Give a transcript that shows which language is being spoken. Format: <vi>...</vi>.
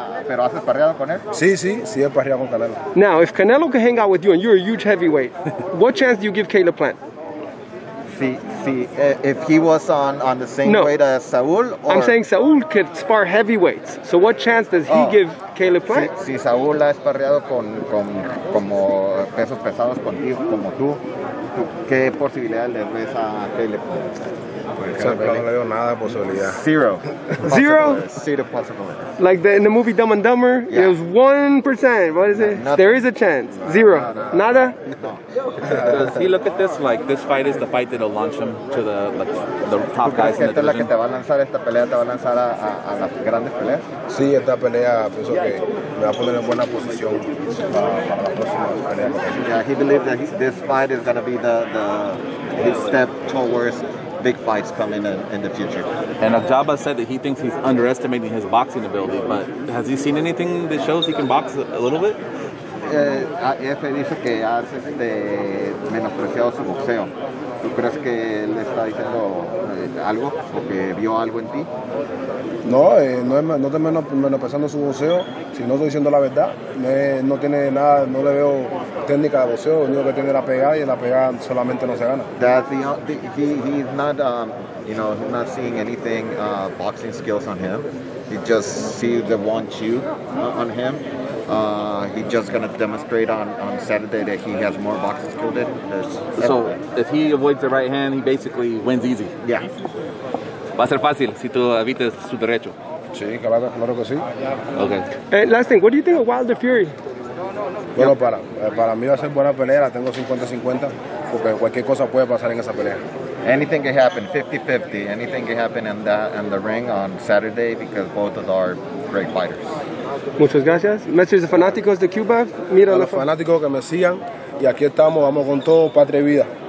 <es>Pero has sparreado con él. Sí, he sparreado con Canelo.</es> <en>Now, if Canelo can hang out with you and you're a huge heavyweight, what chance do you give Caleb Plant? If he was on the same weight as Saúl, or... I'm saying Saúl could spar heavyweights. So what chance does he give Caleb Plant?</en> <es>Si Saúl ha sparreado con como pesos pesados contigo como tú, ¿qué posibilidad le ves a Caleb Plant?</es> <en>Zero. Zero? Zero possibility. Like in the movie Dumb and Dumber, yeah. It was 1%. What is it? Nothing. There is a chance. Zero. Nada? No. Does he look at this like this fight is the fight that will launch him to the like the top guys in the division?</en> <es>¿Te va a lanzar esta pelea? ¿Te va a lanzar a las grandes peleas? Sí, esta pelea pienso que me va a poner en buena posición para la próxima pelea.</es> <en>Yeah, he believes that this fight is going to be his step towards big fights coming in the future. And Ajaba said that he thinks he's underestimating his boxing ability, but has he seen anything that shows he can box a little bit?</en> <es>Efe dice que has menospreciado su boxeo. ¿Tú crees que él está diciendo algo o que vio algo en ti? No, no estoy menospreciando su boxeo, si no estoy diciendo la verdad. No tiene nada, no le veo técnica de boxeo, lo único que tiene la pegada y la pegada solamente no se gana.</es> <en>He's not, you know, not seeing anything boxing skills on him. He just sees the one shoe on him. He's just going to demonstrate on Saturday that he has more boxing skill than so if he avoids the right hand, he basically wins easy. Yeah.</en> <es>Va a ser fácil si tú evites su derecho. Sí, claro que sí.</es> <en>Okay. Last thing, what do you think of Wilder Fury?</en> <es>Bueno, para mí va a ser buena pelea, la tengo 50-50, porque cualquier cosa puede pasar en esa pelea.</es> <en>Anything can happen, 50-50. Anything can happen in the ring on Saturday because both of them are great fighters.</en> <es>Muchas gracias. Messages de fanáticos de Cuba. Mira a los fanáticos que me sigan. Y aquí estamos, vamos con todo, patria y vida.</es>